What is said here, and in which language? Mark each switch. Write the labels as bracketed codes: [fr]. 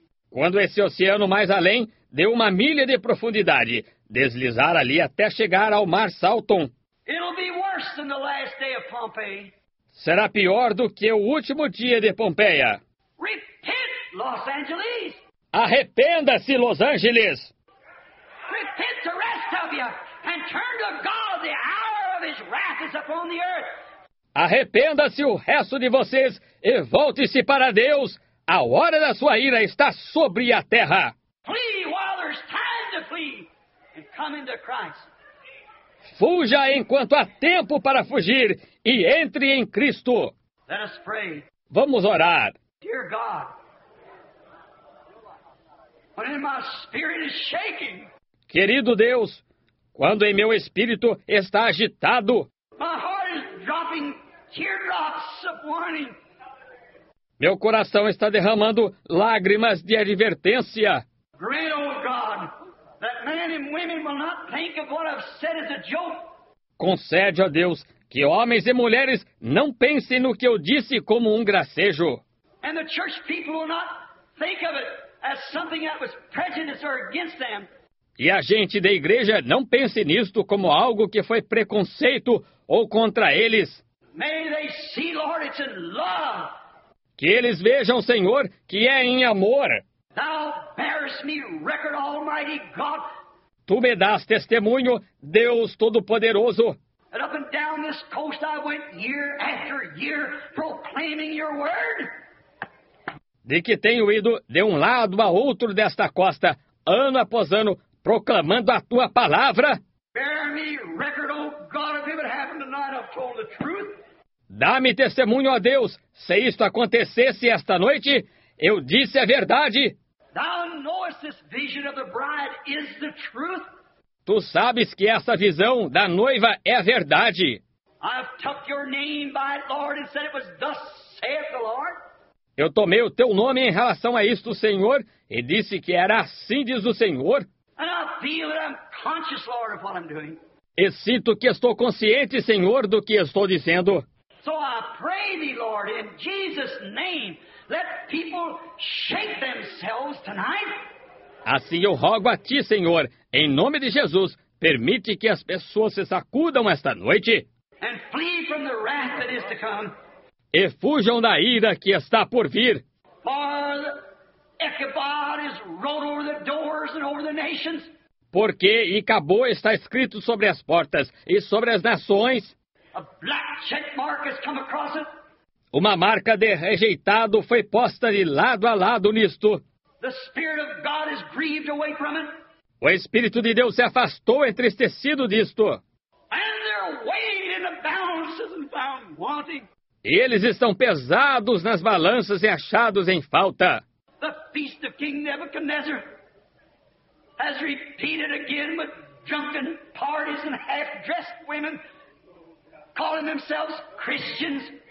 [pt] Quando esse oceano mais além deu uma milha de profundidade, deslizar ali até chegar ao mar Salton. [en] It'll be worse than the last day of Pompeii. [pt] Será pior do que o último dia de Pompeia. [en] Repent, Los Angeles. [pt] Arrependa-se, Los Angeles. [en] Repent the rest of you and turn to God. The hour of His wrath is upon the earth. [pt] Arrependa-se o resto de vocês e volte-se para Deus. A hora da sua ira está sobre a terra. [en] Flee while there's time to flee and come into Christ. [pt] Fuja enquanto há tempo para fugir e entre em Cristo. [en] Let us pray. [pt] Vamos orar. [en] Dear God, when in my spirit is shaking, [pt] querido Deus, quando em meu espírito está agitado, [en] my heart is dropping teardrops of warning. [pt] Meu coração está derramando lágrimas de advertência. [en] Great, oh God. That men and women will not think of what I've said as a joke. [pt] Concede, ó Deus, que homens e mulheres não pensem no que eu disse como um gracejo. [en] And the church people will not think of it as something that was prejudiced or against them. [pt] E a gente da igreja não pense nisto como algo que foi preconceito ou contra eles. [en] May they see, Lord, it's in love. [pt] Que eles vejam, Senhor, que é em amor. [en] Thou bearest me record, Almighty God. [pt] Tu me das testemunho, Deus Todo-Poderoso. [en] And up and down this coast I went year after year proclaiming your word? [pt] De que tenho ido de lado a outro desta costa, ano após ano, proclamando a tua palavra? [en] Bear me record, oh God, if it happened tonight, I've told the truth. [pt] Dá-me testemunho, ó Deus, se isto acontecesse esta noite, eu disse a verdade. [en] Thou knowest this vision of the bride is the truth. [pt] Tu sabes que essa visão da noiva é a verdade. [en] I've took your name by it, Lord, and said it was thus saith the Lord. [pt] Eu tomei o teu nome em relação a isto, Senhor, e disse que era assim, diz o Senhor. [en] And I feel that I'm conscious, Lord, of what I'm doing. [pt] E sinto que estou consciente, Senhor, do que estou dizendo. [en] So I pray thee, Lord, in Jesus' name, let people shake themselves tonight. [pt] Assim eu rogo a ti, Senhor, em nome de Jesus, permite que as pessoas se sacudam esta noite. [en] And flee from the wrath that is to come. [pt] E fujam da ira que está por vir. [en] For Ichabod is wrote over the doors and over the nations. [pt] Porque Icabô está escrito sobre as portas e sobre as nações. [en] A black check mark has come across it. [pt] Uma marca de rejeitado foi posta de lado a lado nisto. [en] The Spirit of God is grieved away from it. [pt] O Espírito de Deus se afastou entristecido disto. [en] And they're weighed in the balances and found wanting. [pt] E eles estão pesados nas balanças e achados em falta. [en] The feast of King Nebuchadnezzar has repeated again with drunken parties and half-dressed women calling themselves Christians.